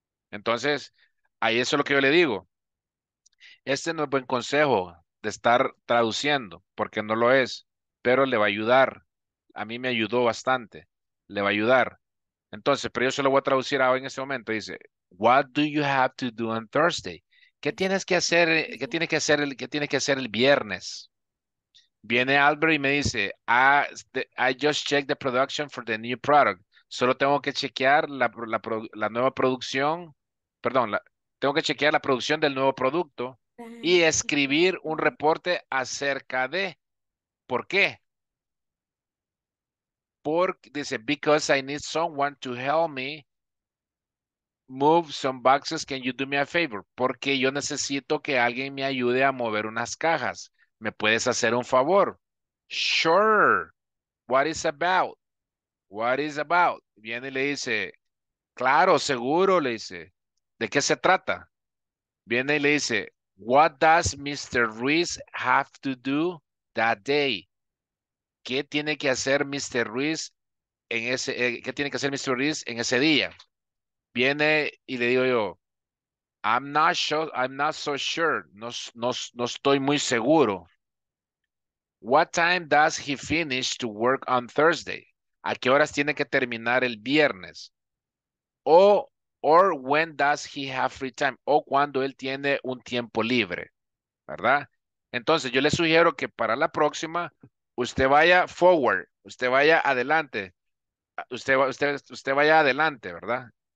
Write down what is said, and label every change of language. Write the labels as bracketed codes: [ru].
[es] Entonces, ahí eso es lo que yo le digo. Este no es buen consejo de estar traduciendo, porque no lo es, pero le va a ayudar. A mí me ayudó bastante, le va a ayudar. Entonces, pero yo se lo voy a traducir ahora en este momento. Dice, [en] what do you have to do on Thursday? [es] ¿Qué tienes que hacer? ¿Qué tienes que hacer? ¿Qué tienes que hacer el viernes? Viene Albert y me dice, [en] I just checked the production for the new product. [es] Solo tengo que chequear la nueva producción. Perdón, tengo que chequear la producción del nuevo producto y escribir un reporte acerca de. ¿Por qué? [en] Dice, because I need someone to help me move some boxes, can you do me a favor? [es] Porque yo necesito que alguien me ayude a mover unas cajas. ¿Me puedes hacer un favor? [en] Sure. What is about? What is about? [es] Viene y le dice, claro, seguro, le dice. ¿De qué se trata? Viene y le dice, [en] what does Mr. Ruiz have to do that day? [es] ¿Qué tiene que hacer Mr. Ruiz en ese qué tiene que hacer Mr. Ruiz en ese día? Viene y le digo yo, [en] I'm not so sure. [es] No estoy muy seguro. [en] What time does he finish to work on Thursday? [es] ¿A qué horas tiene que terminar el viernes? [en] Or when does he have free time? [es] O cuando él tiene un tiempo libre, ¿verdad? Entonces yo le sugiero que para la próxima usted vaya forward, usted vaya adelante, usted vaya adelante, ¿verdad?